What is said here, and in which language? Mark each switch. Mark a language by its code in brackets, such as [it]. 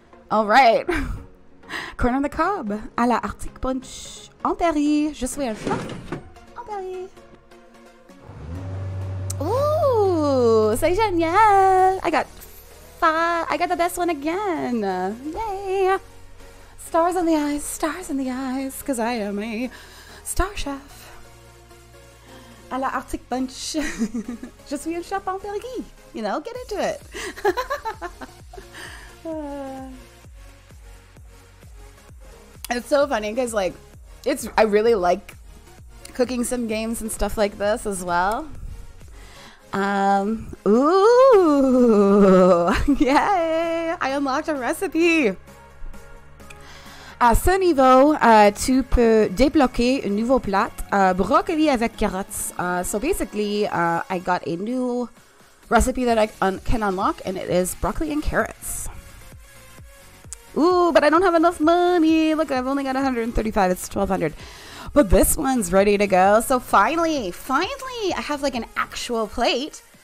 [en] All right. Corn on the cob, a la Arctic Punch, [fr] en Paris, je suis un chat, en Paris. [en] Ooh, [fr] c'est génial. [en] I got the best one again. Yay. Stars in the eyes, because I am a star chef. [fr] A la Arctic Punch, je suis un chat en Paris. [en] You know, get into it. It's so funny because, like, I really like cooking some games and stuff like this as well. Ooh, yay! I unlocked a recipe. [fr] À ce niveau, tu peux débloquer un nouveau plat, broccoli avec carottes. [en] So basically, I got a new recipe that I can unlock, and it is broccoli and carrots. Ooh, but I don't have enough money. Look, I've only got 135. It's 1,200. But this one's ready to go. So finally, I have like an actual plate.